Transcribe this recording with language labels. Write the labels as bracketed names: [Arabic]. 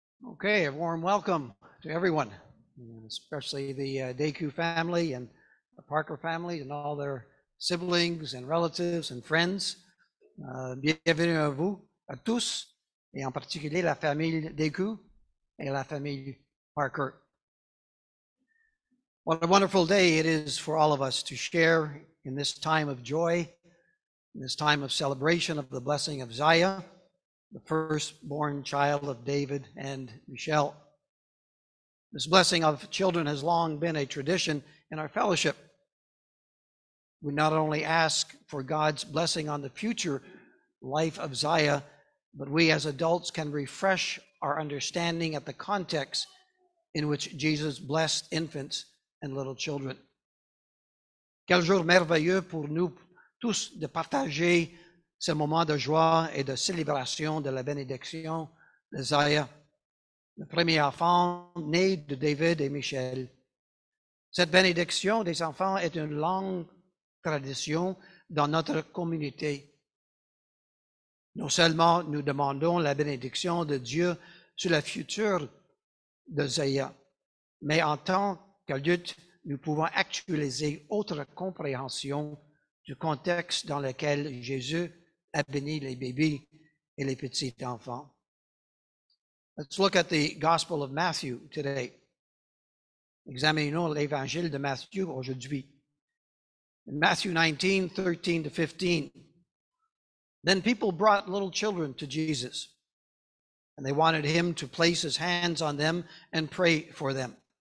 [English] Okay, a warm welcome to everyone, especially the Deku family and the Parker family and all their siblings and relatives and friends. [French] Bienvenue à vous, à tous, et en particulier la famille Deku et la famille Parker. [English] What a wonderful day it is for all of us to share in this time of joy, in this time of celebration of the blessing of Ziyah, the firstborn child of David and Michelle. This blessing of children has long been a tradition in our fellowship. We not only ask for God's blessing on the future life of Ziyah, but we as adults can refresh our understanding at the context in which Jesus blessed infants and little children. [French] Quel jour merveilleux pour nous tous de partager ce moment de joie et de célébration de la bénédiction de Ziyah, le premier enfant né de David et Michel. Cette bénédiction des enfants est une longue tradition dans notre communauté. Non seulement nous demandons la bénédiction de Dieu sur le futur de Ziyah, mais en tant qu'adultes, nous pouvons actualiser autre compréhension du contexte dans lequel Jésus a béni les bébés et les petits enfants. [English] Let's look at the Gospel of Matthew today. [French] Examinons l'Évangile de Matthieu aujourd'hui. [English] In Matthew 19, 13 to 15, then people brought little children to Jesus, and they wanted him to place his hands on them and pray for them.